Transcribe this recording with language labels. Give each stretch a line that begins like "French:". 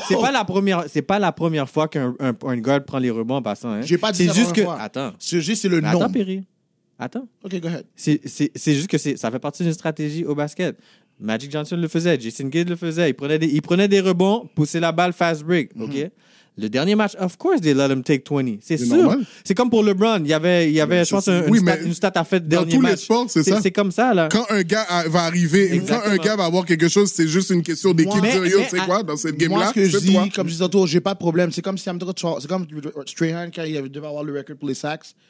French: C'est pas la première fois qu'un point guard prend les rebonds en passant. Hein. J'ai pas dit c'est ça juste que. Fois. Attends. C'est juste le nom. Attends, Perry. Attends.
English: Ok, go ahead.
French: C'est juste que ça fait partie d'une stratégie au basket. Magic Johnson le faisait, Jason Kidd le faisait. Il prenait des rebonds, poussait la balle fast break.
English: Ok.
French: Le dernier match,
English: of course, they let him take 20.
French: C'est sûr. Normal. C'est comme pour LeBron. Il y avait je pense, une stat à faire dernier match. Dans tous les sports, c'est ça. C'est comme ça, là. Quand un gars va avoir quelque chose, c'est juste une question d'équipe de Rio, tu sais quoi, dans cette game-là. Moi, comme je dis tantôt, j'ai pas de problème. C'est comme Strahan, quand il devait avoir le record pour les sacks.